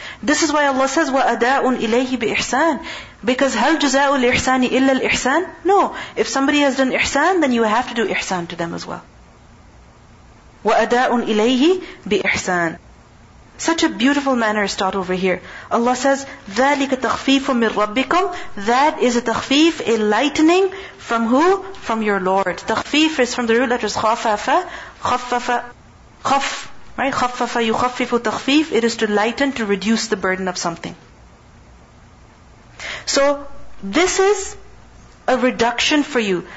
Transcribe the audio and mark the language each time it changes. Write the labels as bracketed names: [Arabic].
[English] This is why Allah says, [Arabic] وَأَدَاءٌ إِلَيْهِ بِإِحْسَانٍ [English] Because [Arabic] هَلْ جُزَاءُ الْإِحْسَانِ إِلَّا الْإِحْسَانِ [English] No, if somebody has done ihsan, then you have to do ihsan to them as well. وَأَدَاءٌ إِلَيْهِ بِإِحْسَانٍ Such a beautiful manner is taught over here. Allah says, [Arabic] ذَلِكَ تَخْفِيفُ مِنْ رَبِّكُمْ. [English] That is a takhfif, a lightening from who? From your Lord. Takhfif is from the root letters [Arabic] خَفَفَ خَفَفَ خَفْ. [English] Right? [Arabic] خَفَّفَ يُخَفِّفُ تَخْفِيفُ. [English] It is to lighten, to reduce the burden of something. So, this is a reduction for you.